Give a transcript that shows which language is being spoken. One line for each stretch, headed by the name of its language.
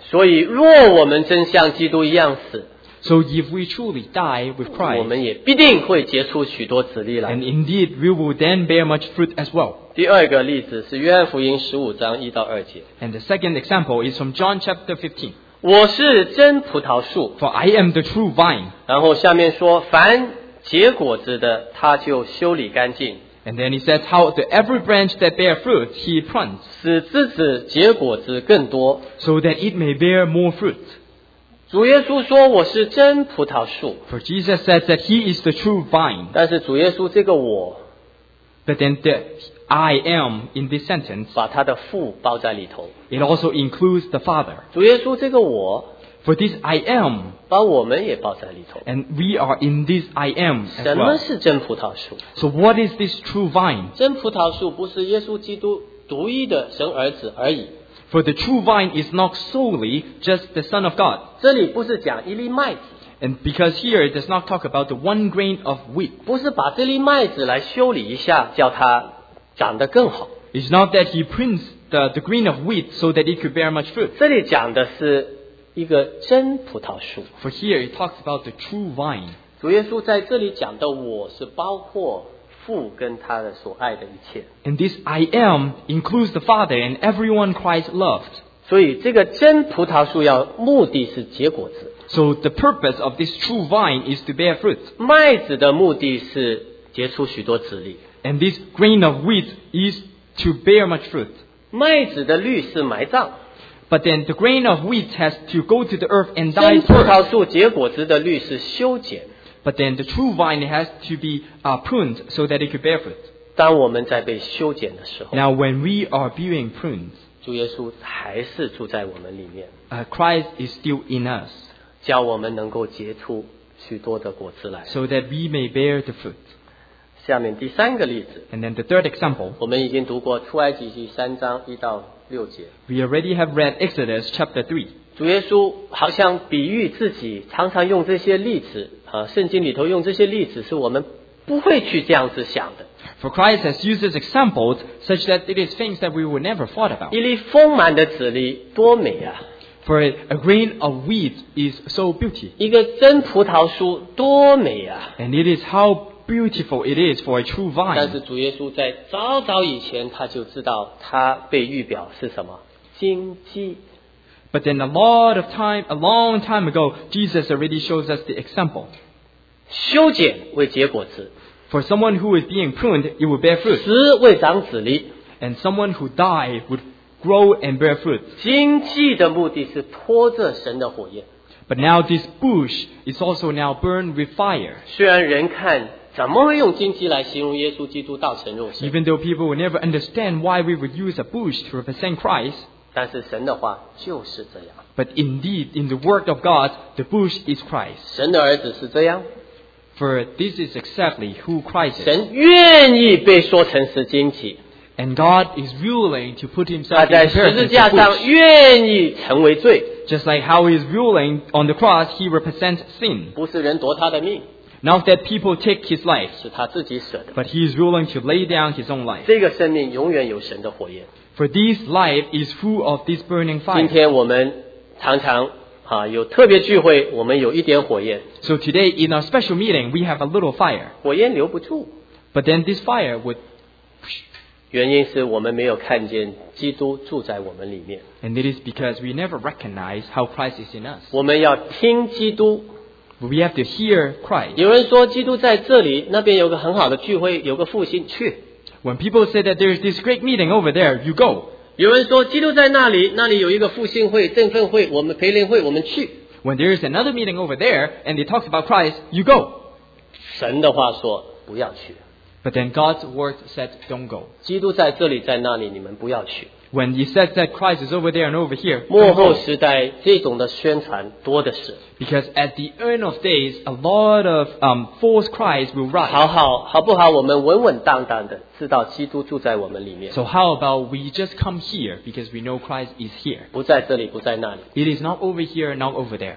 Chinese: 所以若我们真像基督一样死,
English: so if we truly die with Christ,
Chinese: 我们也必定会结出许多子粒来。
English: And indeed, we will then bear much fruit as well.
Chinese: 第二个例子是约翰福音15章1到2节。
English: And the second example is from John chapter 15.
Chinese: 我是真葡萄树,
English: for I am the true vine.
Chinese: 然后下面说, 凡结果子的, 他就修理干净。
English: And then he says how to every branch that bear fruit, he prunes.
Chinese: 使枝子结果子更多,
English: so that it may bear more fruit.
Chinese: 主耶稣说我是真葡萄树。
English: For Jesus says that he is the true vine.
Chinese: 但是主耶稣这个我。
English: But then the I am in this sentence.
Chinese: 把他的父包在里头。
English: It also includes the Father.
Chinese: 主耶稣这个我。
English: For this I am.
Chinese: 把我们也包在里头。
English: And we are in this I am as well.
Chinese: 什么是真葡萄树？
English: So what is this true vine?
Chinese: 真葡萄树不是耶稣基督独一的神儿子而已。
English: For the true vine is not solely just the Son of God.
Chinese: 这里不是讲一粒麦子。
English: And because here it does not talk about the one grain of wheat.
Chinese: 不是把这粒麦子来修理一下，叫它长得更好。
English: It's not that he prunes the grain of wheat so that it could bear much fruit.
Chinese: 这里讲的是一个真葡萄树。
English: For here it talks about the true vine.
Chinese: 主耶稣在这里讲的我是包括父跟他的所爱的一切。
English: And this I am includes the Father and everyone Christ loved.
Chinese: 所以这个真葡萄树要目的是结果子。
English: So the purpose of this true vine is to bear fruit.
Chinese: 麦子的目的是结出许多籽粒。
English: And this grain of wheat is to bear much fruit.
Chinese: 麦子的绿是埋葬。
English: But then the grain of wheat has to go to the earth and die.
Chinese: 真葡萄树结果子的绿是修剪。
English: But then the true vine has to be pruned so that it could bear fruit.
Chinese: 当我们在被修剪的时候。
English: Now when we are being pruned.
Chinese: 主耶稣还是住在我们里面。
English: Christ is still in us.
Chinese: 叫我们能够结出许多的果子来。
English: So that we may bear the fruit.
Chinese: 下面第三个例子。
English: And then the third example.
Chinese: 我们已经读过出埃及记三章一到六节。
English: We already have read Exodus chapter 3.
Chinese: 主耶稣好像比喻自己常常用这些例子。圣经里头用这些例子是我们不会去这样子想的。
English: For Christ has used his examples such that it is things that we would never thought about.
Chinese: 一粒丰满的籽粒多美啊。
English: For a grain of wheat is so beautiful.
Chinese: 一个真葡萄树多美啊。
English: And it is how beautiful it is for a true vine.
Chinese: 但是主耶稣在早早以前他就知道他被预表是什么，荆棘。
English: But then a long time ago, Jesus already shows us the example.
Chinese: 修剪为结果子。
English: For someone who is being pruned, it will bear fruit.
Chinese: 死为长子粒。
English: And someone who died would grow and bear fruit.
Chinese: 荆棘的目的是拖着神的火焰。
English: But now this bush is also now burned with fire.
Chinese: 虽然人看怎么会用荆棘来形容耶稣基督道成肉身。
English: Even though people would never understand why we would use a bush to represent Christ,
Chinese: 但是神的话就是这样。
English: But indeed, in the word of God, the bush is Christ.
Chinese: 神的儿子是这样。
English: For this is exactly who Christ is.
Chinese: 神愿意被说成是荆棘。
English: And God is willing to put himself in the
Chinese: 他在十字架上愿意成为罪。
English: Just like how he is willing on the cross, he represents sin.
Chinese: 不是人夺他的命。
English: Not that people take his life.
Chinese: 是他自己舍的。
English: But he is willing to lay down his own life.
Chinese: 这个生命永远有神的火焰。
English: For this life is full of this burning fire.
Chinese: 今天我们常常有特别聚会，我们有一点火焰。
English: So today in our special meeting, we have a little fire.
Chinese: 火焰留不住。
English: But then this fire would.
Chinese: 原因是我们没有看见基督住在我们里面。
English: And it is because we never recognize how Christ is in us.
Chinese: 我们要听基督。
English: But we have to hear Christ.
Chinese: 有人说基督在这里，那边有个很好的聚会，有个复兴，去。
English: When people say that there is this great meeting over there, you go.
Chinese: 有人说基督在那里，那里有一个复兴会、振奋会、我们培灵会，我们去。
English: When there is another meeting over there and it talks about Christ, you go.
Chinese: 神的话说不要去。
English: But then God's word said, don't go.
Chinese: 基督在这里，在那里，你们不要去。
English: When he says that Christ is over there and over here,
Chinese: 幕后时代这种的宣传多的是。
English: Because at the end of days, a lot of false cries will rise.
Chinese: 好不好？我们稳稳当当的知道基督住在我们里面。
English: So how about we just come here because we know Christ is here?
Chinese: 不在这里，不在那里。
English: It is not over here, not over there.